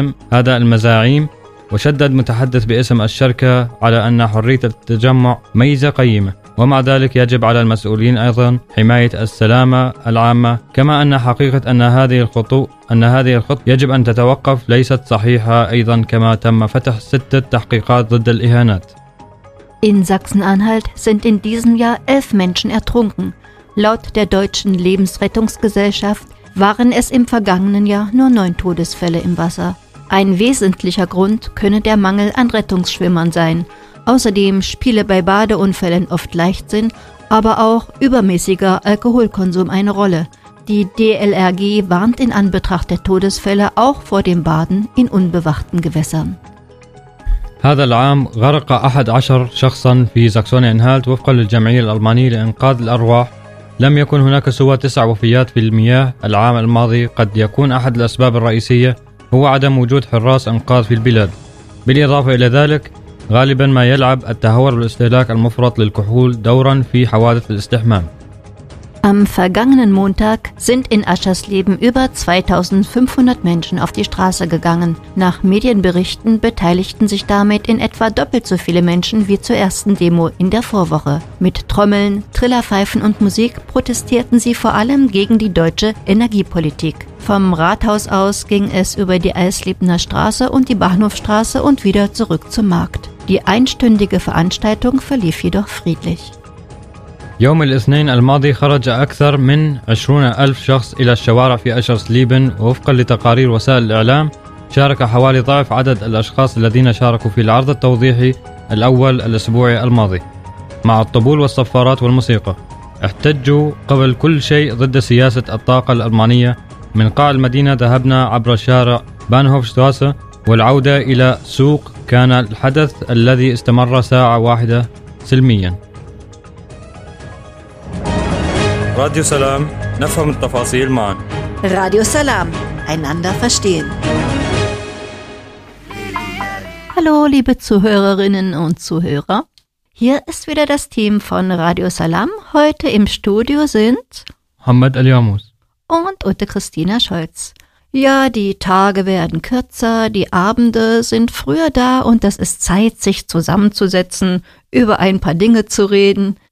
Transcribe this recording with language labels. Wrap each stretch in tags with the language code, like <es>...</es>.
<ar>هذا المزاعيم وشدد متحدث باسم الشركة على أن حرية التجمع ميزة قيمة ومع ذلك يجب على المسؤولين أيضا حماية السلامة العامة كما أن حقيقة أن هذه الخطة يجب أن تتوقف ليست صحيحة أيضا كما تم فتح 6 تحقيقات ضد الإهانات.</ar> <de>In Sachsen-Anhalt sind in diesem Jahr 11 Menschen ertrunken. Laut der Deutschen Lebensrettungsgesellschaft waren es im vergangenen Jahr nur 9 Todesfälle im Wasser. Ein wesentlicher Grund könne der Mangel an Rettungsschwimmern sein. Außerdem spiele bei Badeunfällen oft Leichtsinn, aber auch übermäßiger Alkoholkonsum eine Rolle. Die DLRG warnt in Anbetracht der Todesfälle auch vor dem Baden in unbewachten Gewässern.</de> <ar>هذا العام غرق 11 شخصا في ساكسوني-أنهالت وفقا للجمعية الألمانية لإنقاذ الأرواح. لم يكن هناك سوى 9 وفيات في المياه العام الماضي. قد يكون أحد الأسباب الرئيسية هو عدم وجود حراس إنقاذ في البلاد. بالإضافة إلى ذلك غالبا ما يلعب التهور والاستهلاك المفرط للكحول دورا في حوادث الاستحمام.</ar> <de>Am vergangenen Montag sind in Aschersleben über 2500 Menschen auf die Straße gegangen. Nach Medienberichten beteiligten sich damit in etwa doppelt so viele Menschen wie zur ersten Demo in der Vorwoche. Mit Trommeln, Trillerpfeifen und Musik protestierten sie vor allem gegen die deutsche Energiepolitik. Vom Rathaus aus ging es über die Eislebener Straße und die Bahnhofstraße und wieder zurück zum Markt. Die einstündige Veranstaltung verlief jedoch friedlich.</de> <ar>يوم الاثنين الماضي خرج أكثر من 20,000 شخص إلى الشوارع في أشرسليبن وفقا لتقارير وسائل الإعلام شارك حوالي ضعف عدد الأشخاص الذين شاركوا في العرض التوضيحي الأول الأسبوعي الماضي مع الطبول والصفارات والموسيقى احتجوا قبل كل شيء ضد سياسة الطاقة الألمانية من قاع المدينة ذهبنا عبر شارع بانهوفشتراسة والعودة إلى سوق كان الحدث الذي استمر ساعة واحدة سلميا راديو سلام نفهم التفاصيل معا</ar> <de>راديو سلام einander verstehen. Hallo liebe Zuhörerinnen und Zuhörer. Hier ist wieder das Team von Radio Salam. Heute im Studio sind Mohammed Aliamus und Ute Christina Scholz. Ja, die Tage werden kürzer, die Abende sind früher da und es ist Zeit, sich zusammenzusetzen, über ein paar Dinge zu reden.</de>